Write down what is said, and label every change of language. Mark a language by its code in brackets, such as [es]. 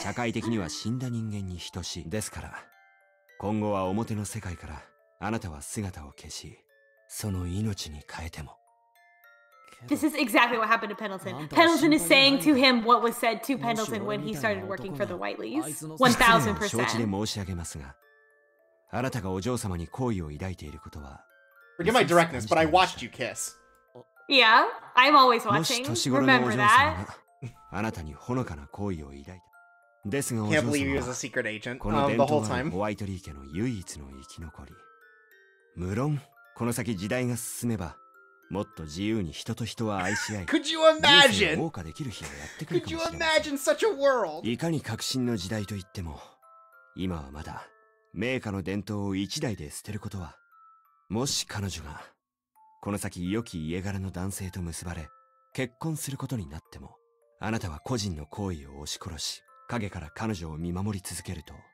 [ja] 社会的には死んだ人間に等しい。ですから、今後は表の世界からあなたは姿を消し、その命に変えても。 [en] This is exactly what happened to Pendleton. Pendleton is saying to him what was said to Pendleton when he started working for the Whiteleys. 1000%. [ja] 承知で申し上げますが、あなたがお嬢様に好意を抱いていることは、 [en] forgive my directness, but I watched you kiss. Yeah, I'm always watching. Remember that. I can't believe he was a secret agent the whole time. [ja] ホワイトリー家の唯一の生き残り。無論、この先時代が進めば、もっと自由に人と人は愛し合い、人生を謳歌できる日がやってくるかもしれない。 [en] Could you imagine such a world? [ja] いかに革新の時代といっても、今はまだ、名家の伝統を一代で捨てることは、もし彼女がこの先良き家柄の男性と結ばれ結婚することになってもあなたは個人の好意を押し殺し影から彼女を見守り続けると